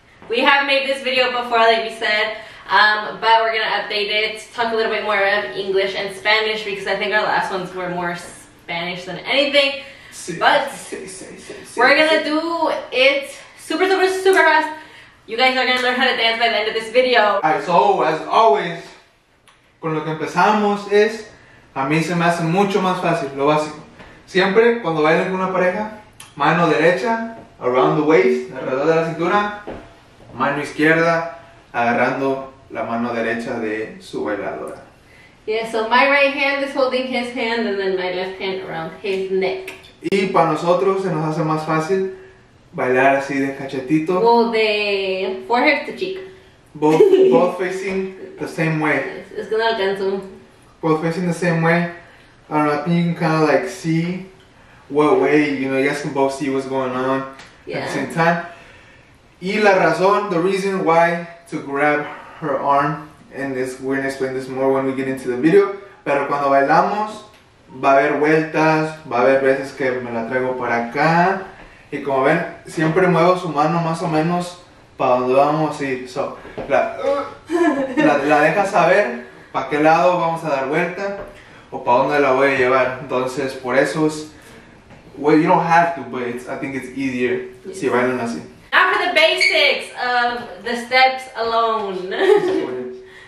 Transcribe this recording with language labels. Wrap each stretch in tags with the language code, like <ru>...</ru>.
<en>We have made this video before, like we said, but we're going to update it, talk a little bit more of English and Spanish, because I think our last ones were more Spanish than anything, but we're gonna do it super fast. You guys are gonna learn how to dance by the end of this video. Alright, so as always,</en> <es>con lo que empezamos es, a mí se me hace mucho más fácil, lo básico. Siempre, cuando bailen con una pareja, mano derecha,</es> <en>around the waist,</en> <es>alrededor de la cintura, mano izquierda, agarrando la mano derecha de su bailadora.</es> <en>Yeah, so my right hand is holding his hand and then my left hand around his neck.</en> <es>Y para nosotros se nos hace más fácil bailar así de cachetito.</es> <en>Well, de forehead to cheek. Both facing the same way. It's gonna alcanzo. Both facing the same way. I don't know, I think you can kind of like see what way, you know, you guys can both see what's going on at the same time.</en> <es>Y la razón,</es> <en>the reason why to grab her arm. And this, we're gonna explain this more when we get into the video.</en> <es>Pero cuando bailamos, va a haber vueltas, va a haber veces que me la traigo para acá. Y como ven, siempre muevo su mano más o menos para donde vamos a ir. So, la deja saber para qué lado vamos a dar vuelta o para dónde la voy a llevar. Entonces, por eso es.</es> <en>Well, you don't have to, but it's, I think it's easier</en> <es>si bailan así.</es> <en>Now for the basics of the steps alone.</en>